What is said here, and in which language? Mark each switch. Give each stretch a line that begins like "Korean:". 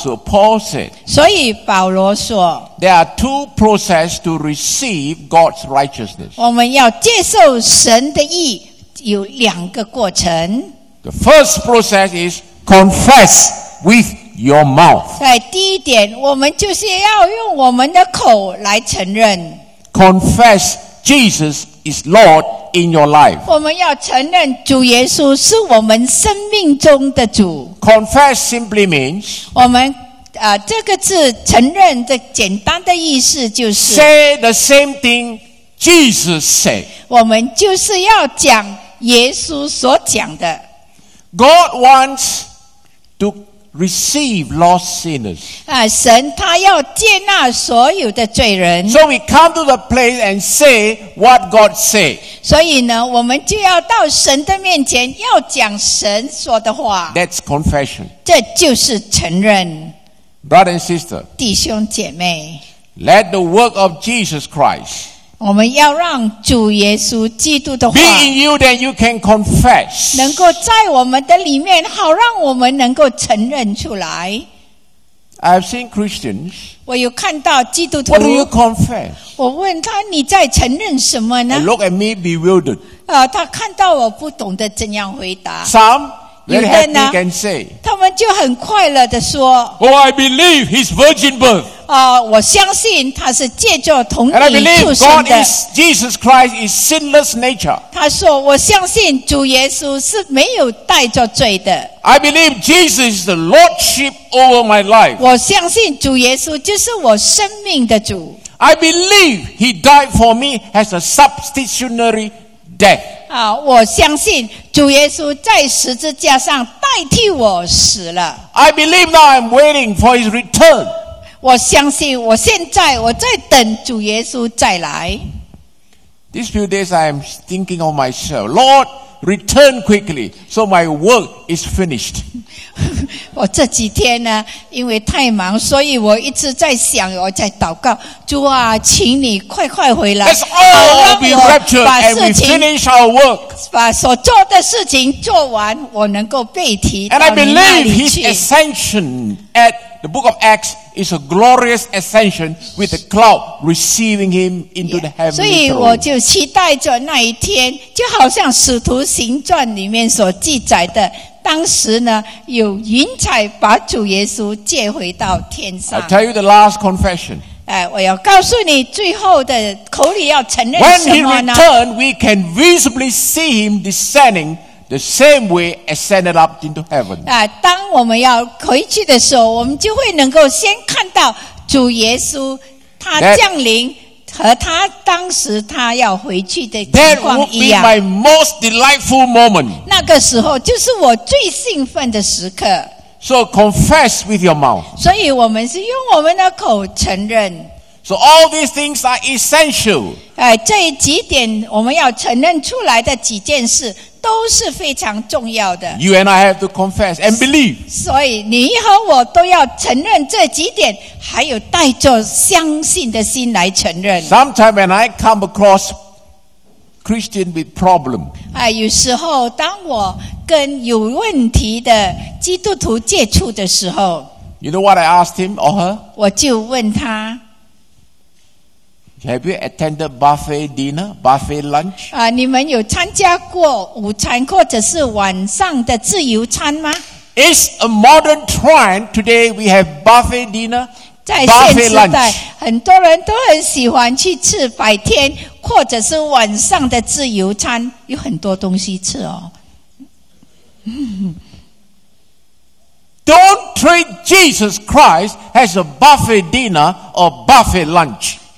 English: So Paul said,
Chinese: 所以保罗说
English: There are two processes to receive God's righteousness.
Chinese: 我们要接受神的义有两个过程。
English: The first process is confess with your mouth.
Chinese: 在第一点，我们就是要用我们的口来承认。
English: Confess Jesus is Lord. In your life.
Chinese: 我们要承认主耶稣是我们生命中的主。
English: Confess simply means,
Chinese: 我们这个字承认的简单的意思就是
English: Say the same thing Jesus said.
Chinese: 我们就是要讲耶稣所讲的。
English: God wants to receive lost sinners.
Chinese: 神他要接纳所有的罪人。
English: So we come to the place and say what God said.
Chinese: 所以呢，我们就要到神的面前要讲神说的话。
English: That's confession.
Chinese: 这就是承认。
English: Brother and sister.
Chinese: 弟兄姐妹。
English: Let the work of Jesus Christ.
Chinese: 我们要让主耶稣基督的话。
English: Be in you that you can confess.
Chinese: 能够在我们的里面，好让我们能够承认出来。
English: I've seen Christians.
Chinese: 我有看到基督徒。
English: What do you confess?
Chinese: 我问他你在承认什么呢
English: ？Look at me bewildered.
Chinese: 他看到我不懂得怎样回答。
English: Some very happy can say.
Chinese: 他们就很快乐地说。
English: Oh, I believe his virgin birth.
Chinese: 我相信他是借着童女出生的。
English: And I believe God is Jesus Christ is sinless nature.
Chinese: 他说我相信主耶稣是没有带着罪的。
English: I believe Jesus is the Lordship over my life.
Chinese: 我相信主耶稣就是我生命的主。
English: I believe he died for me as a substitutionary death.
Chinese: 我相信主耶稣在十字架上代替我死了。
English: I believe now I'm waiting for his return.
Chinese: 我相信我现在我在等主耶稣再来。
English: These few days I am thinking of myself. Lord, return quickly so my work is finished.
Chinese: 我这几天呢因为太忙所以我一直在想我在祷告。主啊请你快快回来。
English: Let's all be raptured and we finish our work.
Chinese: 把所做的事情做完我能够被提到你那里去。
English: And I believe his ascension at the book of Acts. Is a glorious ascension with the cloud receiving him into the heavenly throne.
Chinese: 所以我就期待着那一天，就好像《使徒行传》里面所记载的，当时呢有云彩把主耶稣接回到天上。
English: I tell you the last confession.
Chinese: 我要告诉你最后的口里要承认什么呢
English: ？When he returned, we can visibly see him descending. The same way ascended up into heaven.
Chinese: 当我们要回去的时候，我们就会能够先看到主耶稣他降临
English: that,
Chinese: 和他当时他要回去的情况一样。
English: That would be my most delightful moment.
Chinese: 那个时候就是我最兴奋的时刻。
English: So confess with your mouth.
Chinese: 所以我们是用我们的口承认。
English: So all these things are essential.
Chinese: 这几点我们要承认出来的几件事都是非常重要的。
English: You and I have to confess and believe.
Chinese: 所以你和我都要承认这几点，还有带着相信的心来承认。
English: Sometimes when I come across Christian with problem.
Chinese: 有时候当我跟有问题的基督徒接触的时候，
English: You know what I asked him or her?
Chinese: 我就问他。
English: Have you attended buffet dinner, buffet lunch?
Chinese: 你们有参加过午餐或者是晚上的自由餐吗？
English: It's a modern trend. Today we have buffet dinner, buffet lunch.
Chinese: 在现时代，很多人都很喜欢去吃白天或者是晚上的自由餐，有很多东西吃哦。
English: Don't treat Jesus Christ as a buffet dinner or buffet lunch.